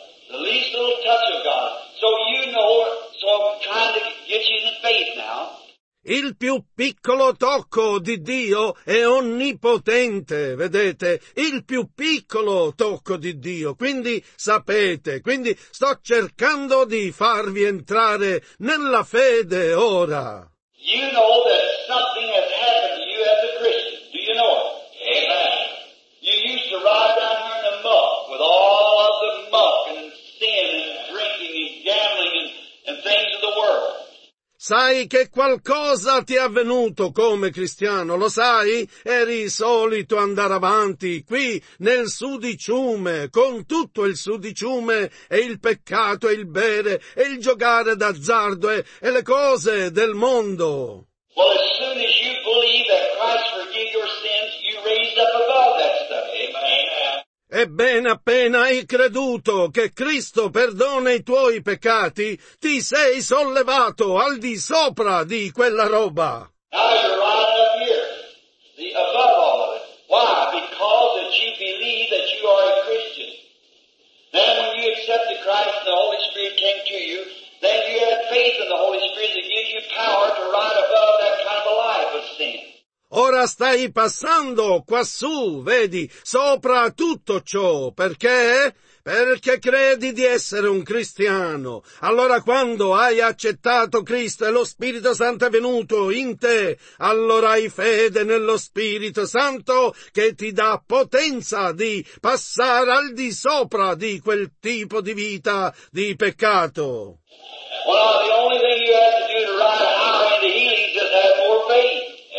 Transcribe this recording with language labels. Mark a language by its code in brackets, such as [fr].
[en] The least little touch of God. So you know, so I'm trying to get you in faith now. [it] Il più piccolo tocco di Dio è onnipotente, vedete? Il più piccolo tocco di Dio, quindi sapete, quindi sto cercando di farvi entrare nella fede ora. [en] You know that something has happened to you as a Christian, do you know it? Amen. You used to ride down here in the muck with all of the muck and sin and drinking and gambling and things of the world. [it] Sai che qualcosa ti è avvenuto come cristiano, lo sai? Eri solito andare avanti qui nel sudiciume, con tutto il sudiciume e il peccato e il bere e il giocare d'azzardo e le cose del mondo. [en] Well, as soon as you believe that Christ forgave your sins, you raised up above that stuff. Amen. [it] Ebbene, appena hai creduto che Cristo perdona i tuoi peccati, ti sei sollevato al di sopra di quella roba. [en] Now you're right up here, the above all of it. Why? Because that you believe that you are a Christian. Then when you accepted Christ and the Holy Spirit came to you, then you had faith in the Holy Spirit that gives you power to ride above that kind of life of sin. [it] Ora stai passando quassù, vedi, sopra tutto ciò. Perché? Perché credi di essere un cristiano. Allora quando hai accettato Cristo e lo Spirito Santo è venuto in te, allora hai fede nello Spirito Santo che ti dà potenza di passare al di sopra di quel tipo di vita di peccato. [en] Well, the only thing you have to do to ride higher into healing is just have more faith.